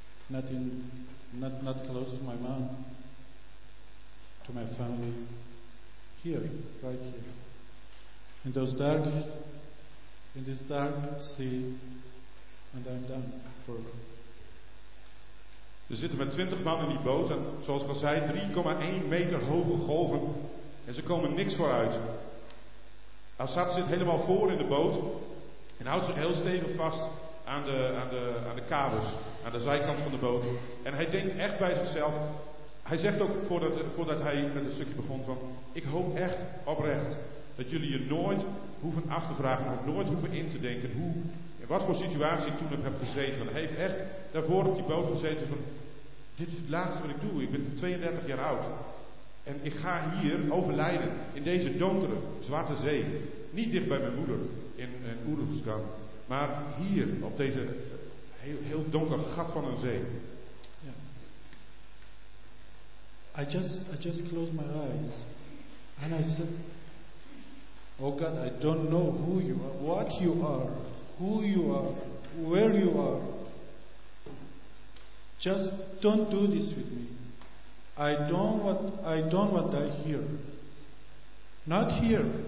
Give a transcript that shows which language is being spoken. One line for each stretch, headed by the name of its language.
English: Not close to my mom, to my family. Here, right here. In this dark sea, and I'm done for.
Dutch: Ze zitten met 20 man in die boot en zoals ik al zei, 3,1 meter hoge golven en ze komen niks vooruit. Assad zit helemaal voor in de boot en houdt zich heel stevig vast aan de kabels, aan de zijkant van de boot. En hij denkt echt bij zichzelf, hij zegt ook voordat hij met het stukje begon van, ik hoop echt oprecht dat jullie je nooit hoeven af te vragen, of nooit hoeven in te denken hoe, in wat voor situatie ik toen heb gezeten. Want hij heeft echt daarvoor op die boot gezeten van, dit is het laatste wat ik doe, ik ben 32 jaar oud. En ik ga hier overlijden, in deze donkere, zwarte zee. Niet dicht bij mijn moeder, in Oeruzgan, maar hier, op deze heel, heel donker gat van een zee.
English: Yeah. I just closed my eyes, and I said, oh God, I don't know who you are, what you are, who you are, where you are. Just don't do this with me. I don't want to die here. Not here.